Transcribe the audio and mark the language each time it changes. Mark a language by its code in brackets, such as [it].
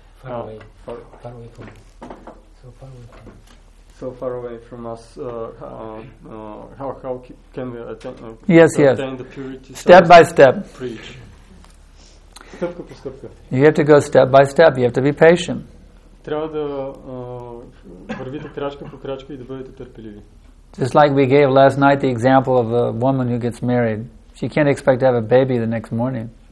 [en] far away from us. So far away from us. How can we attain? Yes. The purity. Step by step. Preach. [bg] Стъпка по стъпка. [en] You have to go step by step. You have to be patient. [bg] Трябва да вървите крачка по крачка и да бъдете търпеливи. [en] Just like we gave last night the example of a woman who gets married. She can't expect to have a baby the next morning.